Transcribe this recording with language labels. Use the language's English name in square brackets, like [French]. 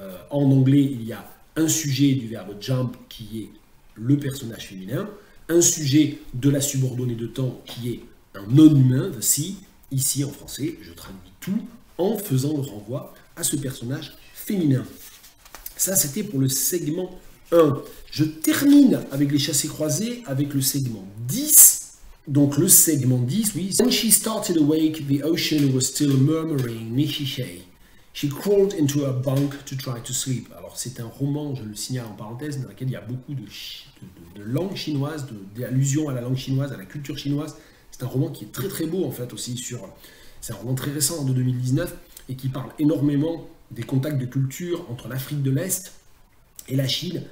[French] En anglais, il y a un sujet du verbe jump qui est le personnage féminin, un sujet de la subordonnée de temps qui est un non-humain, the sea. Ici, en français, je traduis tout en faisant le renvoi à ce personnage féminin. Ça, c'était pour le segment 1. Je termine avec les chassés-croisés, avec le segment 10. Donc, le segment 10, oui. [English] When she started awake, the ocean was still murmuring, Nishishei. She crawled into a bunk to try to sleep. [French] Alors, c'est un roman, je le signale en parenthèse, dans lequel il y a beaucoup de langues chinoises, d'allusions à la langue chinoise, à la culture chinoise. C'est un roman qui est très très beau, en fait, aussi. C'est un roman très récent, de 2019, et qui parle énormément des contacts de culture entre l'Afrique de l'Est et la Chine.